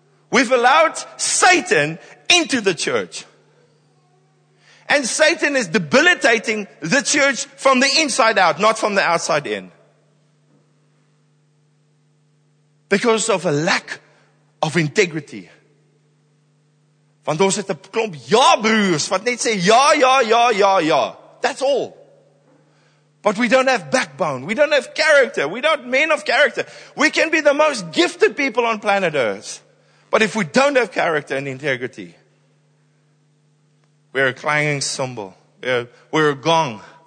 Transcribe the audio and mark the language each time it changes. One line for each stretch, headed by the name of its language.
English: We've allowed Satan into the church. And Satan is debilitating the church from the inside out, not from the outside in. Because of a lack of integrity.
Afrikaans: Want ons het 'n klomp ja broers wat net sê ja, ja, ja, ja, ja.
English: That's all. But we don't have backbone. We don't have character. We don't men of character. We can be the most gifted people on planet Earth. But if we don't have character and integrity, we're a clanging cymbal. We're a gong.